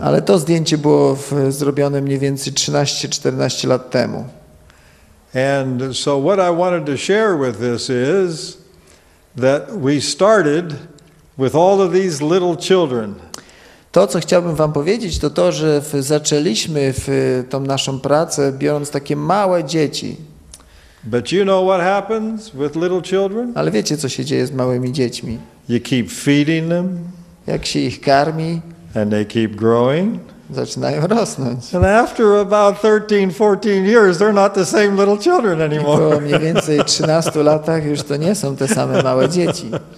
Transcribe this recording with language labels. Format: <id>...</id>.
<pl>Ale to zdjęcie było zrobione mniej więcej 13-14 lat temu.</pl> <en>And so what I wanted to share with this is that we started with all of these little children.</en> <pl>To, co chciałbym wam powiedzieć, to to, że zaczęliśmy w tą naszą pracę biorąc takie małe dzieci.</pl> <en>But you know what happens with little children?</en> <pl>Ale wiecie, co się dzieje z małymi dziećmi?</pl> <en>You keep feeding them.</en> <pl>Jak się ich karmi.</pl> <en>And they keep growing.</en> <pl>Zaczynają rosnąć.</pl> <en>And after about 13-14 years, they're not the same little children anymore.</en> <pl>Po mniej więcej 13 latach już to nie są te same małe dzieci.</pl>